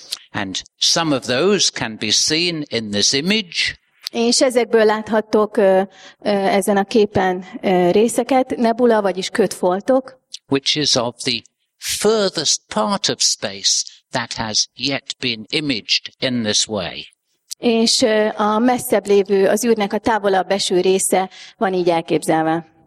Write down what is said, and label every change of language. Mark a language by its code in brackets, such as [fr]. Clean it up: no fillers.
[en] And some of those can be seen in this image. [hu] És ezekből láthattok ezen a képen részeket, nebula, vagyis ködfoltok. [en] Which is of the furthest part of space that has yet been imaged in this way. [hu] És a messzebb lévő, az űrnek a távolabb eső része van így elképzelve.